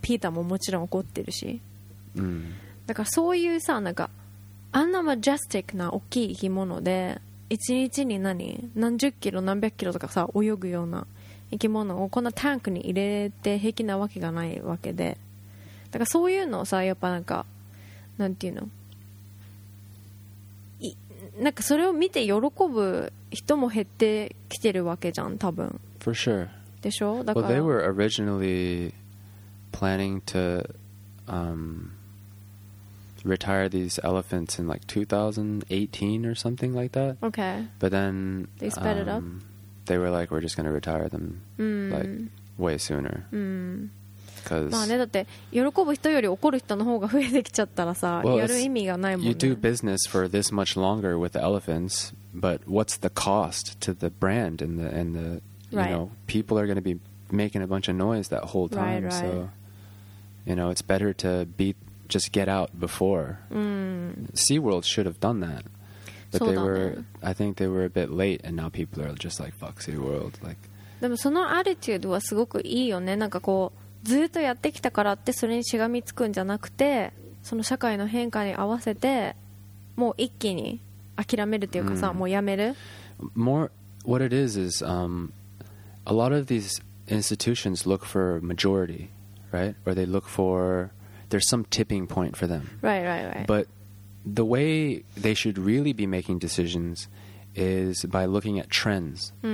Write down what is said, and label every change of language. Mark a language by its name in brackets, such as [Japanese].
[Japanese] ピーターももちろん怒ってるし、だからそういうさ、なんかあんなマジェスティックな大きい生き物で1日に何十キロ何百キロとかさ泳ぐような生き物をこんなタンクに入れて平気なわけがないわけで、だからそういうのをさ、やっぱなんかなんていうの、なんかそれを見て喜ぶ人も減ってきてるわけじゃん、多分。 [English] For sure. [Japanese] でしょ。だから。 [English] Well, they were originally planning to retire these elephants in like 2018 or something like that. Okay. But then they sped it up. They were like, we're just going to retire them like way sooner. [Japanese] まあね、だって喜ぶ人より怒る人の方が増えてきちゃったらさ、やる意味がないもんね。 [English] You do business for this much longer with the elephants, but what's the cost to the brand and the you know, people are going to be making a bunch of noise that whole time. So, you know, it's better to just get out before. SeaWorld should have done that. But they were, I think they were a bit late, and now people are just like, fuck SeaWorld. Like, [Japanese] でもそのアティチュードはすごくいいよね。なんかこうずっとやってきたからってそれにしがみつくんじゃなくて、その社会の変化に合わせてもう一気に諦めるっていうかさ、もうやめる。 [English] More, what it is a lot of these institutions look for majority, right? Or they look for, there's some tipping point for them. Right. ButThe way they should really be making decisions is by looking at trends.